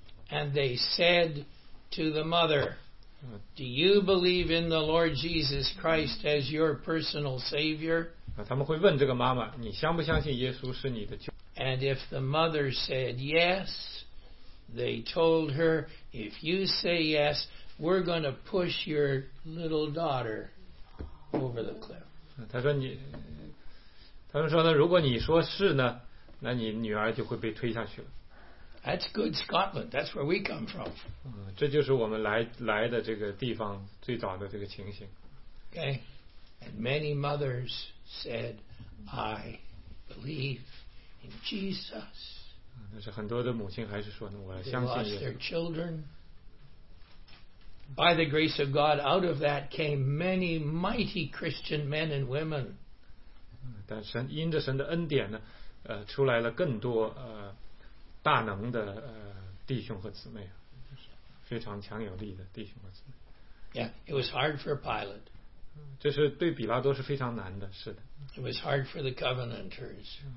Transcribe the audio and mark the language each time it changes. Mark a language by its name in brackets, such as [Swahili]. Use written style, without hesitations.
[English] And they said to the mother, "Do you believe in the Lord Jesus Christ as your personal Savior?" [Chinese] 他们会问这个妈妈，你相不相信耶稣是你的救？ [English] And if the mother said yes, they told her, "If you say yes, we're going to push your little daughter over the cliff." [Chinese] 他说你。他们说呢，如果你说是呢，那你女儿就会被推下去了。 [English] That's good Scotland. That's where we come from. [Chinese] 这就是我们来的这个地方最早的这个情形。 [English] Okay, and many mothers said, "I believe in Jesus." [Chinese] 但是很多的母亲还是说呢，我相信耶稣。 [English] They lost their children. By the grace of God, out of that came many mighty Christian men and women. [Chinese] 但神因着神的恩典呢，出来了更多大能的弟兄和姊妹，非常强有力的弟兄和姊妹。 [English] Yeah, it was hard for Pilate. [Chinese] 这是对比拉多是非常难的，是的。 [English] It was hard for the Covenanters.